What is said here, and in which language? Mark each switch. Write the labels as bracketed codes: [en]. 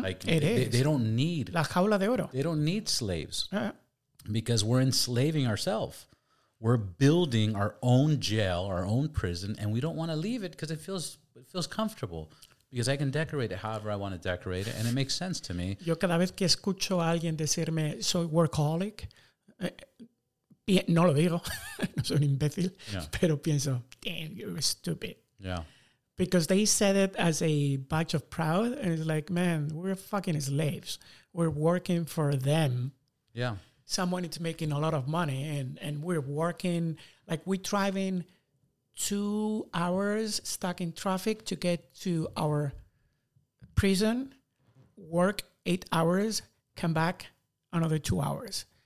[en] Like they don't need [es] La Jaula de Oro. [en] They don't need slaves. Yeah. Because we're enslaving ourselves. We're building our own jail, our own prison, and we don't want to leave it because it feels comfortable. Because I can decorate it however I want to decorate it, and it makes sense to me. [es] Yo cada vez que escucho a alguien decirme soy workaholic, no lo digo, no soy un imbécil, pero pienso, [en] damn, you're stupid. Yeah. Because they said it as a badge of pride, and it's like, man, we're fucking slaves. We're working for them. Yeah. Someone is making a lot of money, and we're working, like we're driving 2 hours stuck in traffic to get to our prison, work 8 hours, come back another 2 hours.